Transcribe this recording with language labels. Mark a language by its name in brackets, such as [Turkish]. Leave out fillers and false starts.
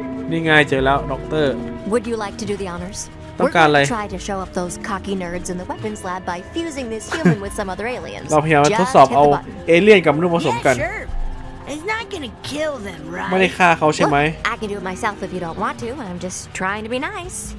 [Thai] นี่ไงเจอแล้วด็อกเตอร์ [English] Would you like to do the honors? [Thai] ต้องการอะไร [English] try to show up those cocky nerds in the weapons lab by fusing this human with some other aliens [Thai] เราพยายามทดสอบเอาเอเลี่ยนกับมนุษย์ผสมกัน [English] It's not going to kill them right [Thai] ไม่ได้ฆ่าเขาใช่มั้ย [English] I can do it myself if you don't want to I'm just trying to be nice